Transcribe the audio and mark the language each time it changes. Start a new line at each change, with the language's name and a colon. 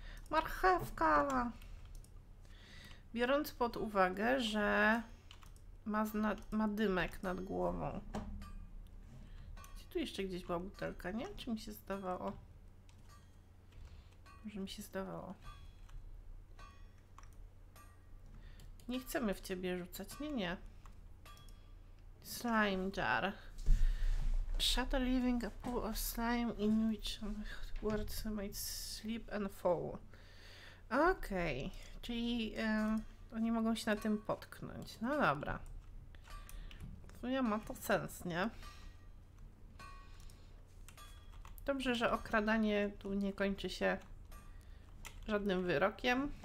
Polish: Marchewka! Biorąc pod uwagę, że ma dymek nad głową. Tu jeszcze gdzieś była butelka, nie? Czy mi się zdawało? Może mi się zdawało. Nie chcemy w ciebie rzucać. Nie, nie. Slime jar.
English: Shadow leaving a pool of slime in which words might slip and fall.
Polish: Okej. Okay. Czyli oni mogą się na tym potknąć. No dobra. To ja ma to sens, nie? Dobrze, że okradanie tu nie kończy się żadnym wyrokiem.